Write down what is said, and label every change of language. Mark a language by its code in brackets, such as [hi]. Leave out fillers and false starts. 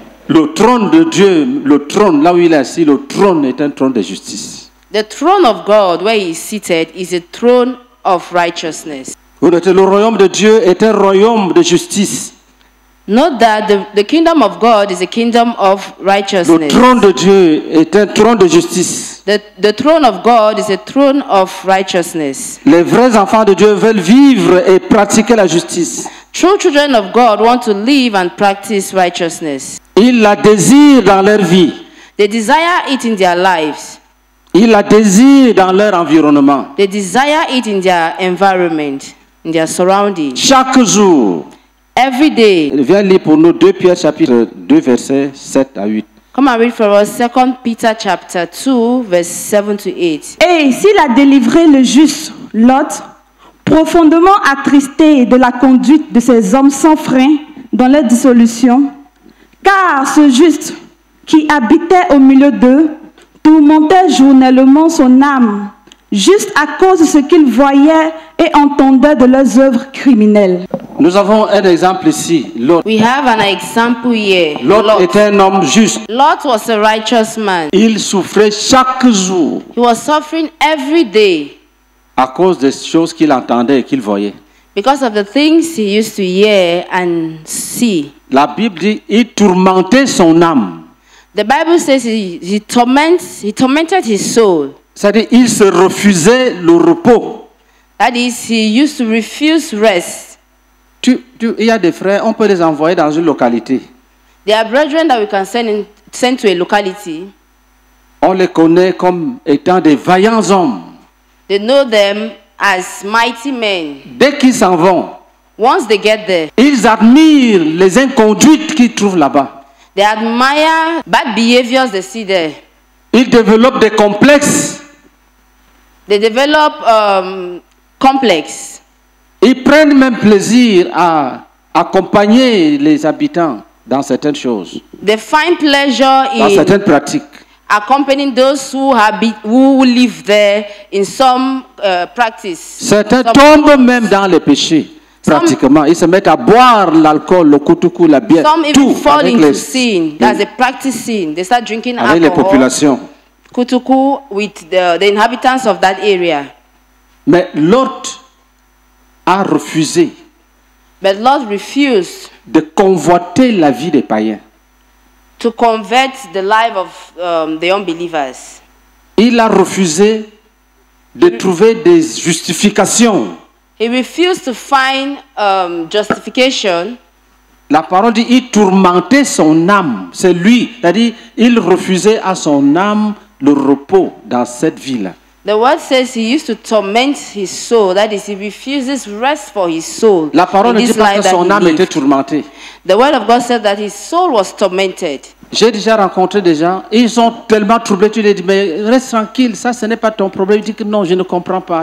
[fr] Le trône de Dieu, le trône là où il est assis, le trône est un trône de justice. [en] The throne of God where he is seated is a throne of righteousness. [fr] Le royaume de Dieu est un royaume de justice. [en] Note that the kingdom of God is a kingdom of righteousness. [fr] Le trône de Dieu est un trône de justice. [en] The throne of God is a throne of righteousness. [fr] Les vrais enfants de Dieu veulent vivre et pratiquer la justice. [en] True children of God want to live and practice righteousness. [fr] Ils la désirent dans leur vie. [en] They desire it in their lives. [fr] Ils la désirent dans leur environnement. [en] They desire it in their environment, in their surroundings. [fr] Chaque jour. [en] Every day. [fr] Viens lire pour nous 2 Pierre chapitre 2 versets 7 à 8. [en] Come and read for us 2 Peter chapter 2 verse 7 to 8. [fr] Et s'il a délivré le juste Lot, profondément attristé de la conduite de ces hommes sans frein dans leur dissolution, car ce juste qui habitait au milieu d'eux tourmentait journellement son âme juste à cause de ce qu'il voyait et entendait de leurs œuvres criminelles. Nous avons un exemple ici, Lot. [en] We have an example here. [fr] Lot était un homme juste. [en] Lot was a righteous man. [fr] Il souffrait chaque jour. [en] He was suffering every day. [fr] À cause des choses qu'il entendait et qu'il voyait. [en] Because of the things he used to hear and see. [fr] La Bible dit il tourmentait son âme. [en] The Bible says he tormented his soul. [fr] C'est-à-dire il se refusait le repos. [en] That is, he used to refuse rest. [fr] Tu il y a des frères, on peut les envoyer dans une localité. [en] There are brethren that we can send to a locality. [fr] On les connaît comme étant des vaillants hommes. [en] They know them as mighty men. [fr] Dès qu'ils s'en vont, [en] once they get there, [fr] ils admirent les inconduites qu'ils trouvent là-bas. [en] They admire bad behaviors they see there. [fr] Ils développent des complexes. [en] They develop complex. [fr] Ils prennent même plaisir à accompagner les habitants dans certaines choses. [en] They find pleasure [fr] dans certaines pratiques. [en] Accompanying those who live there in some practice. [fr] Certains tombent même dans les péchés. Pratiquement, ils se mettent à boire l'alcool, le koutoukou, la bière, [en] some [fr] tout [en] even fall into sin. That's a practice sin. They start drinking [fr] avec Les populations. [en] Koutoukou with the inhabitants of that area. [fr] Mais Lot a refusé. [en] But Lot refused. [fr] De convoiter la vie des païens. [en] To convert the life of the unbelievers. [fr] Il a refusé de trouver des justifications. [en] He refused to find justification. [fr] La parole dit, il tourmentait son âme. C'est lui, c'est-à-dire, il refusait à son âme le repos dans cette ville. [en] The word says he used to torment his soul. That is, he refuses rest for his soul. [fr] La parole dit pas que son âme était tourmentée. [en] The word of God said that his soul was tormented. [fr] J'ai déjà rencontré des gens, ils sont tellement troublés, tu les dis, mais reste tranquille, ça ce n'est pas ton problème. Ils disent que non, je ne comprends pas.